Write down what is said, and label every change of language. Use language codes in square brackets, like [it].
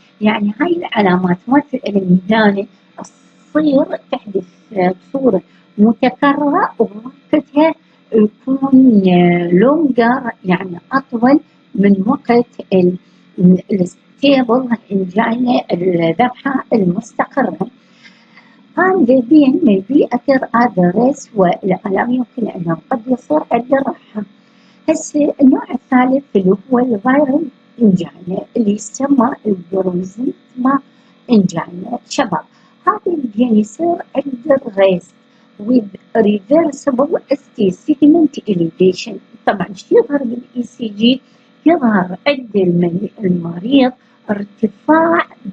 [ar] يعني هاي العلامات ما في الألم هنا تصير تحدث بصورة متكررة ووقتها يكون longer يعني أطول من وقت ال stable angina الذبحة المستقرة. [en] And the pain may be occur at the rest [ar] والألم يمكن أنه قد يصير عند الرحم. هسه النوع الثالث اللي هو الفيرال انجاينا اللي يسمى البروزيتما انجاينا. شباب هذا البين يصير عند الرست [en] with reversible ST segment elevation. [ar] طبعا شو يظهر بالاي سي جي؟ يظهر عند المريض ارتفاع